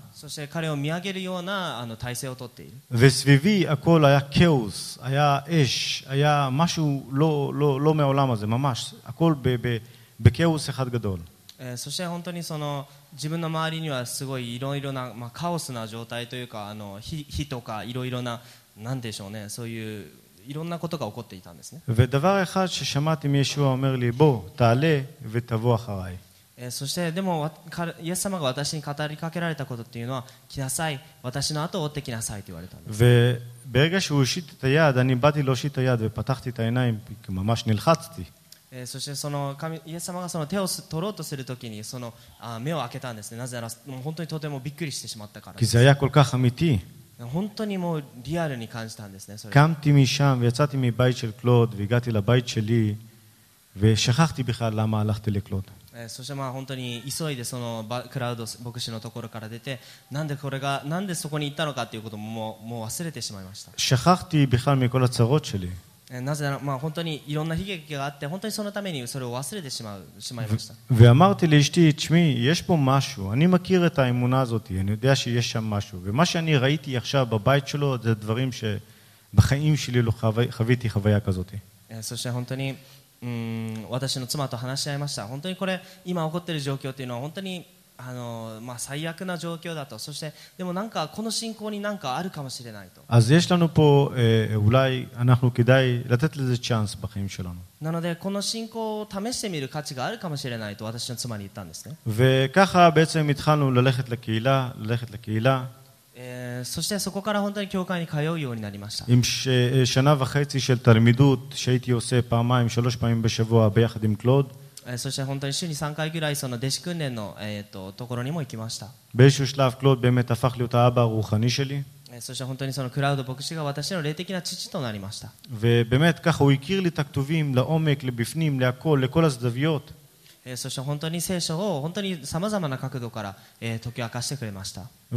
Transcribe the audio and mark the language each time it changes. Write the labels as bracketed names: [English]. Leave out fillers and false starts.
[Japanese] そして彼を見上げるような体勢をとっている。 [Hebrew] וסביבי הכל היה כאוס, היה אש, היה משהו לא מעולם הזה, ממש. הכל בכאוס אחד גדול. [Japanese] そして本当にその自分の周りにはすごいいろいろな、まあ、カオスな状態というか、火とかいろいろな、なんでしょうね、そういういろんなことが起こっていたんですね。 [Hebrew] ודבר אחד ששמעתי מישוע אומר לי, בוא, תעלה ותבוא אחריי. [Japanese] そしてでもイエス様が私に語りかけられたことっていうのは来なさい私の後を追ってきなさいと言われたんです。 [Hebrew] וברגע שהוא הושיט את היד אני באתי להושיט את היד ופתחתי את העיניים ממש נלחצתי. [Japanese] そしてその神イエス様がその手を取ろうとするときにその目を開けたんですね。なぜならもう本当にとてもびっくりしてしまったから [Hebrew] です。כי זה היה כל כך אמיתי. [Japanese] 本当にもうリアルに感じたんですね。それ [Hebrew] קמתי משם ויצאתי מבית של קלוד והגעתי לבית שלי ושכחתי בכלל למה הלכתי לקלוד. [Japanese] そしてまあ本当に急いでそのクラウド牧師のところから出てなんでこれがなんでそこに行ったのかということももう忘れてしまいました。 [Hebrew] שכחתי בכלל מכל הצרות שלי. [Japanese] なぜならまあ本当にいろんな悲劇があって本当にそのためにそれを忘れてしまいました。 [Hebrew] ואמרתי לאשתי, תשמעי, יש פה משהו. אני מכיר את האמונה הזאת. אני יודע שיש שם משהו. ומה שאני ראיתי עכשיו בבית שלו זה דברים שבחיים שלי לא חוויתי חוויה כזאת. [Japanese] そして本当に私の妻と話し合いました。本当にこれ今起こっている状況というのは本当にまあ、最悪な状況だと。そしてでもなんかこの信仰になんかあるかもしれないと。 [Hebrew] אז יש לנו פה, אולי אנחנו כדאי לתת לזה צ'אנס בחיים שלנו. [Japanese] なのでこの信仰を試してみる価値があるかもしれないと私の妻に言ったんですね。 [Hebrew] וככה בעצם התחלנו ללכת לקהילה, ללכת לקהילה. [Japanese] そしてそこから本当に教会に通うようになりました。 [Hebrew] עם שנה וחצי של תלמידות שהייתי עושה פעמיים, שלוש פעמים בשבוע ביחד עם קלוד. [Japanese] そして本当に週に3回ぐらいその弟子訓練のところにも行きました。 [Hebrew] באיזשהו שלב קלוד באמת הפך להיות האבא הרוחני שלי. [Japanese] そして本当にそのクラウド牧師が私の霊的な父となりました。 [Hebrew] ובאמת ככה הוא הכיר לי את הכתובים לעומק, לבפנים, להכל, לכל הזדוויות. [Japanese] そして本当に聖書を本当にさまざまな角度から解き明かしてくれました。